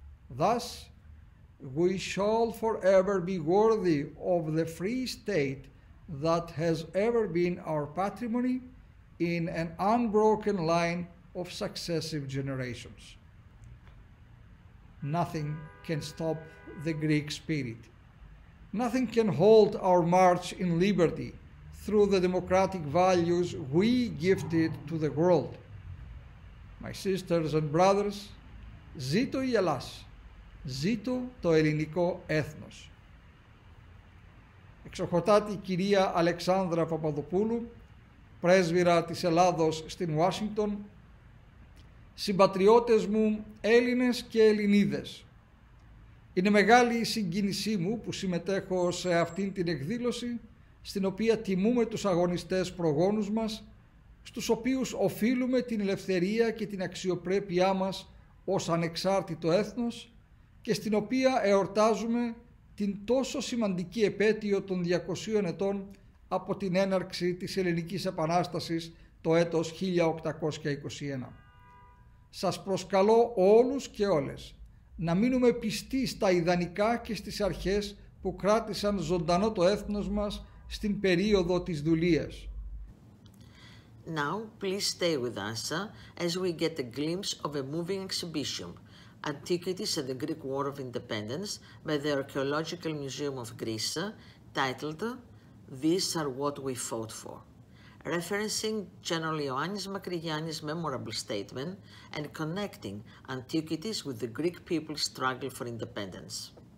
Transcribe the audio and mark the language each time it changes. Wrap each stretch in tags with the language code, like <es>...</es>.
<en>Thus, we shall forever be worthy of the free state that has ever been our patrimony in an unbroken line of successive generations. Nothing can stop the Greek spirit. Nothing can hold our march in liberty through the democratic values we gifted to the world. My sisters and brothers,</en> <el>ζήτω η Ελλάς, ζήτω το ελληνικό έθνος. Εξοχωτάτη κυρία Αλεξάνδρα Παπαδοπούλου, πρέσβυρα της Ελλάδος στην Ουάσιγκτον, συμπατριώτες μου Έλληνες και Ελληνίδες, είναι μεγάλη η συγκίνησή μου που συμμετέχω σε αυτήν την εκδήλωση, στην οποία τιμούμε τους αγωνιστές προγόνους μας, στους οποίους οφείλουμε την ελευθερία και την αξιοπρέπειά μας ως ανεξάρτητο έθνος και στην οποία εορτάζουμε την τόσο σημαντική επέτειο των 200 ετών από την έναρξη της Ελληνικής Επανάστασης το έτος 1821. Σας προσκαλώ όλους και όλες να μείνουμε πιστοί στα ιδανικά και στις αρχές που κράτησαν ζωντανό το έθνος μας στην περίοδο της δουλείας.</el> <en>Now, please stay with us as we get a glimpse of a moving exhibition, Antiquities and the Greek War of Independence, by the Archaeological Museum of Greece, titled These Are What We Fought For, referencing General Ioannis Makrigiannis' memorable statement and connecting antiquities with the Greek people's struggle for independence.</en>